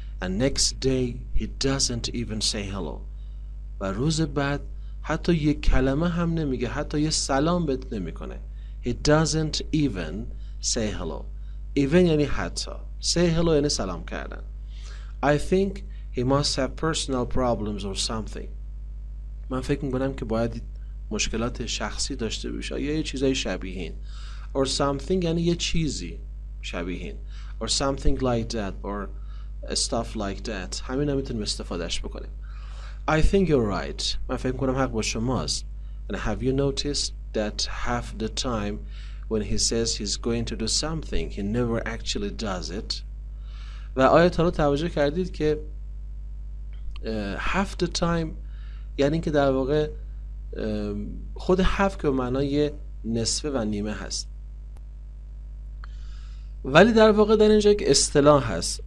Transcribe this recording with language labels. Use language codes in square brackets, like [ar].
[en] And next day he doesn't even say hello. [fa] و روز بعد حتی یه کلمه هم نمیگه، حتی یه سلام بهت نمیکنه. [en] He doesn't even say hello. Even [fa] یعنی حتی. [en] Say hello [fa] یعنی سلام کردن. [en] I think he must have personal problems or something. [fa] من فکر میکنم که باید مشکلات شخصی داشته باشه یا یه چیزای شبیه این. [en] Or something [fa] یعنی یه چیزی شبیه این. [en] Or something like that or stuff like that. [fa] همین هم میتونیم استفادهش بکنیم. [en] I think you're right. [fa] من فکر میکنم حق با شماست. [en] And have you noticed that half the time when he says he's going to do something, he never actually does it? [fa] و آیا تا رو توجه کردید که [en] half the time [fa] یعنی که در واقع خود half که معنای نصفه و نیمه هست، ولی در واقع در اینجا یک اصطلاح هست.